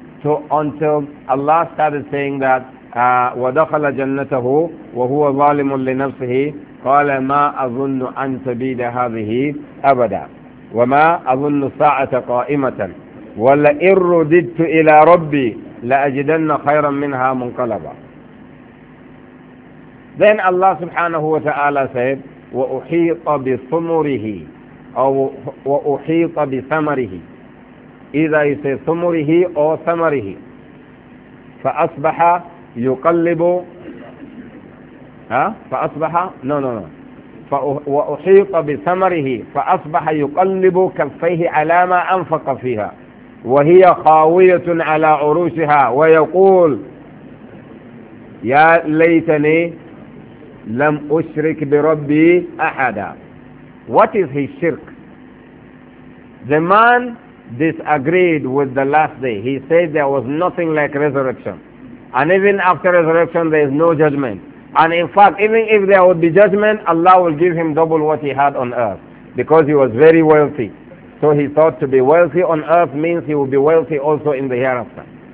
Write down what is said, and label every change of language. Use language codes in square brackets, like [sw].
[en] So until Allah started saying that [ar] وَدَخَلَ جَنَّتَهُ وَهُوَ ظَالِمٌ لِنَفْسِهِ قَالَ مَا أَظُنُّ أَنْ تَبِيدَ هَذِهِ أَبَدًا وَمَا أَظُنُّ السَّاعَةَ قَائِمَةً وَلَئِن رُدِدْتُ إِلَى رَبِّي لَأَجِدَنَّ خَيْرًا مِنْهَا مُنْقَلَبًا. [en] Then Allah subhanahu wa ta'ala said, [ar] وَأُحِيطَ بِثُمُرِهِ أو وَأُحِيطَ بِثَمَرِهِ. [en] Either you say [ar] ثُمُرِهِ [en] or [ar] ثَمَرِهِ. فَأَصْبَحَ يُقَلِّبُ فَأَصْبَحَ [en] No. [ar] وَأُحِيطَ بِثَمَرِهِ فَأَصْبَحَ يُقَلِّبُ كَفَّيْهِ عَلَى مَا أَنْفَقَ فِيهَا وهي خاوية على عروشها ويقول يا ليتني لم أشرك بربي أحدا. [en] What is his shirk? The man disagreed with the last day. He said there was nothing like resurrection. And even after resurrection there is no judgment. And in fact, even if there would be judgment, Allah will give him double what he had on earth. Because he was very wealthy. So he thought to be wealthy on earth means he will be wealthy also in the hereafter.